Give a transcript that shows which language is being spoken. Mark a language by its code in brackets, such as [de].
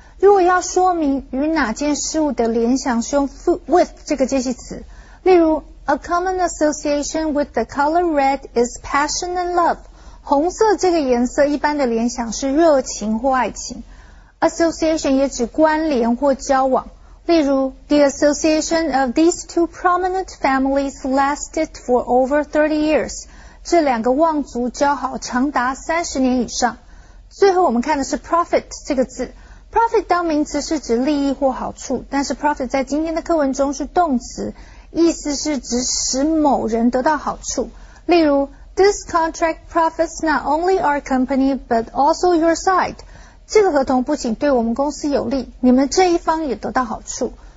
[zh] 如果要说明与哪件事物的联想，是用 with 这个介系词。例如 [en] A common association with the color red is passion and love. [zh] 红色这个颜色一般的联想是热情或爱情。 Association 也指关联或交往。例如 [en] ,the association of these two prominent families lasted for over 30 years. [zh] 这两个望族交好长达30年以上。最后我们看的是 profit 这个字。Profit 当名词是指利益或好处，但是 profit 在今天的课文中是动词。意思是指使某人得到好处。例如 [en] This contract profits not only our company but also your side. [zh] 这个合同不仅对我们公司有利，你们这一方也得到好处。